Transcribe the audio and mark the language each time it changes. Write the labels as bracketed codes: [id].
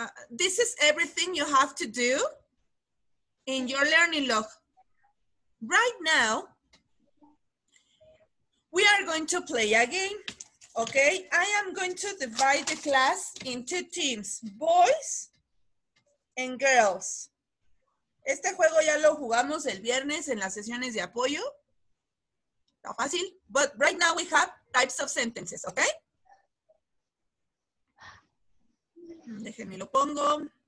[en] This is everything you have to do in your learning log. Right now, we are going to play a game. Okay. I am going to divide the class into teams, boys and girls. [es] Este juego ya lo jugamos el viernes en las sesiones de apoyo. Está fácil. [en] But right now we have types of sentences, okay? [es] Déjenme lo pongo.